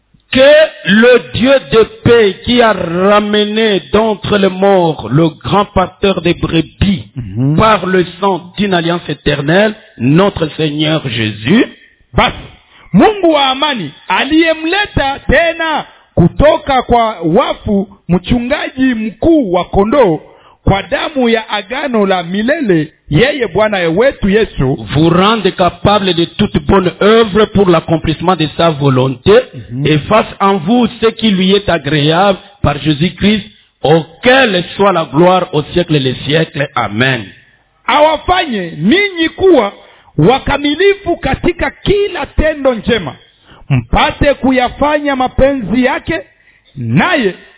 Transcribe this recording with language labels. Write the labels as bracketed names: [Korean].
[French] Que le Dieu de paix qui a ramené d'entre les morts le grand pasteur des brebis par le sang d'une alliance éternelle, notre Seigneur Jésus. [Swahili] Mungu wa amani aliyemleta tena kutoka kwa wafu mchungaji mkuu wa kondoo kwa damu ya agano la milele yeye bwana wetu Yesu [French] vous rende capable de toute bonne œuvre pour l'accomplissement de sa volonté et fasse en vous ce qui lui est agréable par Jésus-Christ auquel soit la gloire au siècle des siècles. Amen. [Swahili] Awafanye ninyi kuwa wakamilifu katika kila tendo njema mpate kuyafanya mapenzi yake naye